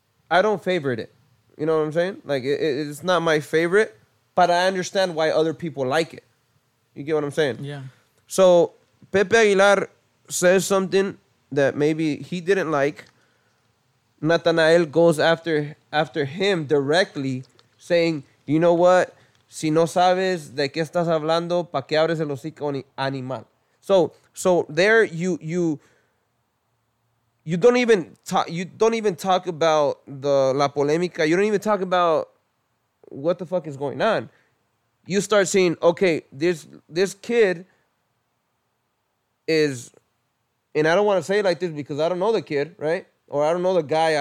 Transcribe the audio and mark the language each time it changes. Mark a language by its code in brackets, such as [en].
[en] I don't favorite it. You know what I'm saying? Like, it's not my favorite, but I understand why other people like it. You get what I'm saying? Yeah. So Pepe Aguilar says something that maybe he didn't like. Natanael goes after him directly, saying, you know what? [es] Si no sabes de qué estás hablando, pa que abres el hocico animal. [en] So there you don't even talk about the la polémica. You don't even talk about what the fuck is going on. You start saying, okay, this kid is, and I don't want to say it like this because I don't know the kid, right? Or I don't know the guy.